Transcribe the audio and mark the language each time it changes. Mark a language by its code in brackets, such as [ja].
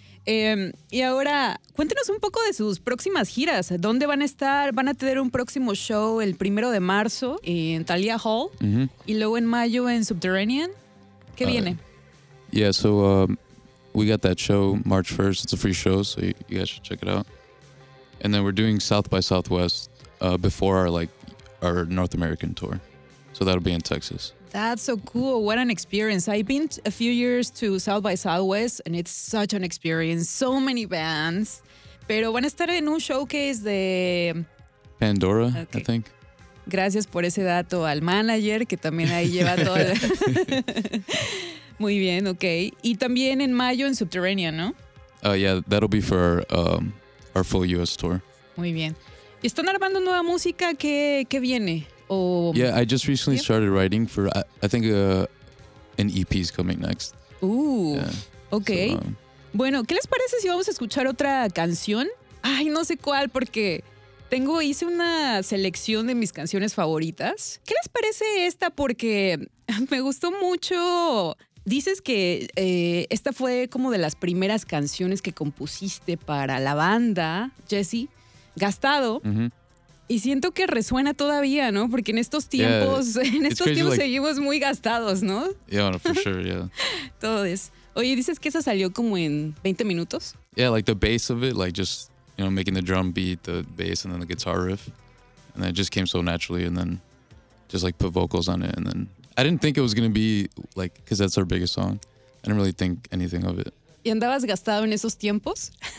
[es] Y ahora, cuéntenos un poco de sus próximas giras. ¿Dónde van a estar? Van a tener un próximo show el primero de marzo en Thalia Hall. Mm-hmm. Y luego en mayo en Subterranean. ¿Qué viene? [en] Yeah, so we got that show March 1st. It's a free show, so you guys should check it out. And then we're doing South by Southwest before our North American tour. So that'll be in Texas. That's so cool. What an experience. I've been a few years to South by Southwest, and it's such an experience. So many bands. [es] Pero van a estar en un showcase de... [en] Pandora, okay. I think. [es] Gracias por ese dato al manager, que también ahí lleva todo. Muy bien, okay. Y también en mayo en Subterranean, ¿no? [en] Yeah, that'll be for our full U.S. tour. [es] Muy bien. ¿Y están armando nueva música? ¿Qué viene? [en] Yeah, I just recently started writing for, I think an EP is coming next. Ooh, yeah. Okay. [es] So, bueno, ¿qué les parece si vamos a escuchar otra canción? Ay, no sé cuál, porque hice una selección de mis canciones favoritas. ¿Qué les parece esta? Porque me gustó mucho. Dices que esta fue como de las primeras canciones que compusiste para la banda, Jesse, Gastado. Mm-hmm. Y siento que resuena todavía, ¿no? Porque en estos tiempos, seguimos muy gastados, ¿no? [en] Yeah, no, for sure, yeah. [es] Todos. Oye, dices que esa salió como en 20 minutos. [en] Yeah, like the bass of it, like just, you know, making the drum beat, the bass, and then the guitar riff. And then it just came so naturally, and then just like put vocals on it. And then I didn't think it was going to be like, because that's our biggest song. I didn't really think anything of it. [es] ¿Y andabas gastado en esos tiempos?